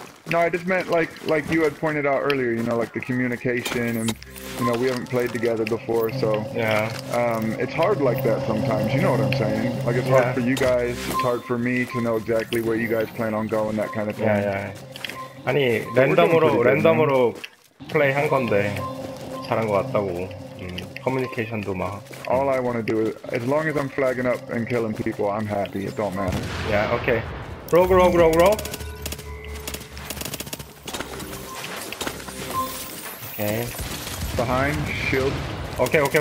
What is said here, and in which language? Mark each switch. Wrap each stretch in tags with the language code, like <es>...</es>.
<en>No, I just meant like you had pointed out earlier, you know, like the communication and, you know, we haven't played together before, so... Yeah. It's hard like that sometimes, you know what I'm saying? Like, it's hard for you guys, it's hard for me to know exactly where you guys plan on going, that kind of thing. Yeah, yeah.</en> <ko>아니, 랜덤으로 플레이 한 건데, 잘한 것 같다고. Communication도 막.</ko> <en>All I want to do is, as long as I'm flagging up and killing people, I'm happy, it don't matter. Yeah, okay. Rogue. Okay. Behind, shield. Okay.</en>